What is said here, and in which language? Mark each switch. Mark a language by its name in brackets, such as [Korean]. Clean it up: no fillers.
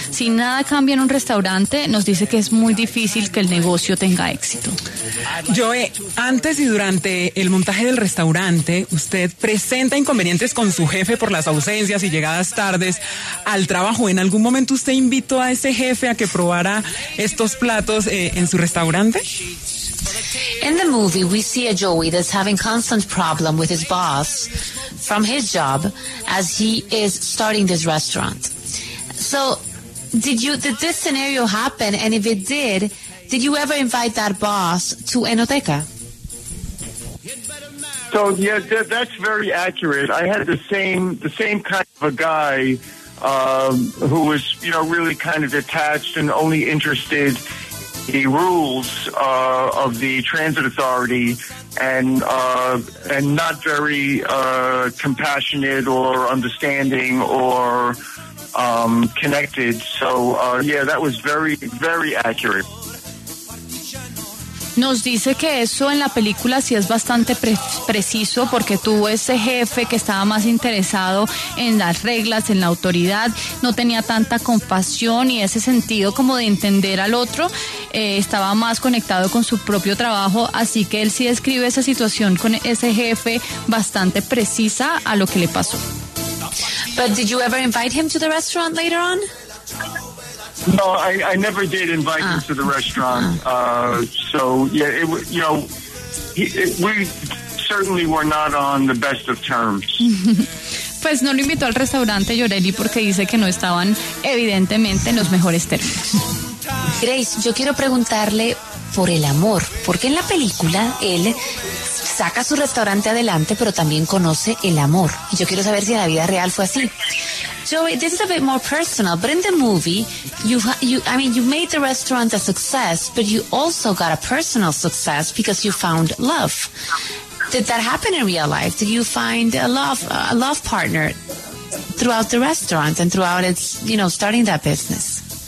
[Spanish] Sin nada cambia en un restaurante, nos dice que es muy difícil que el negocio tenga éxito. Joe, antes y durante el montaje del restaurante, ¿usted presenta inconvenientes con su jefe por las ausencias y llegadas tardes al trabajo? ¿En algún momento usted invitó a ese jefe a que probara estos platos en su restaurante? [English] In the movie, we see a Joey that's having constant problem with his boss from his job as he is starting this restaurant. So, did this scenario happen? And if it did you ever invite that boss to Enoteca? So, yeah, that's very accurate. I had the same kind of a guy who was, you know, really kind of detached and only interested the rules of the transit authority and not very compassionate or understanding or connected. So, that was very, very accurate. [Spanish] nos dice que eso en la película sí es bastante preciso, porque tuvo ese jefe que estaba más interesado en las reglas, en la autoridad, no tenía tanta compasión y ese sentido como de entender al otro, estaba más conectado con su propio trabajo, así que él sí describe esa situación con ese jefe bastante precisa a lo que le pasó. [English] But did you ever invite him to the restaurant later on? No, I never did invite him to the restaurant. So yeah, we certainly were not on the best of terms. [Spanish] Pues no lo invitó al restaurante Llorelli porque dice que no estaban evidentemente en los mejores términos. Grace, yo quiero preguntarle por el amor, porque en la película él saca su restaurante adelante, pero también conoce el amor. Y yo quiero saber si en la vida real fue así. [English] Joey, this is a bit more personal, but in the movie, you made the restaurant a success, but you also got a personal success because you found love. Did that happen in real life? Did you find a love partner throughout the restaurant and throughout its, you know, starting that business?